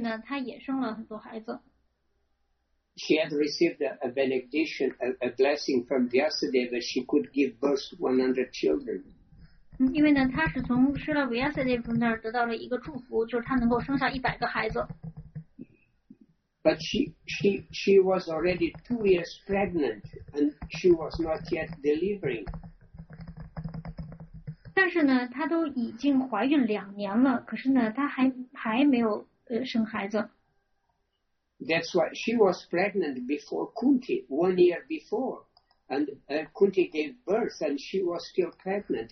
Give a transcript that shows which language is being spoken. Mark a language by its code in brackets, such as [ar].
[zh] 呢，他也生了很多孩子。 [en] She had received a benediction, a blessing from Vyasadeva, she could give birth to 100 children. [zh] 因为呢，他是从施拉维亚塞内夫那儿得到了一个祝福，就是他能够生下一百个孩子。 [en] But she was already 2 years pregnant and she was not yet delivering. [zh] 但是呢，她都已经怀孕两年了，可是呢，她还没有生孩子。 [en] That's why she was pregnant before Kunti, 1 year before. And Kunti gave birth, and she was still pregnant.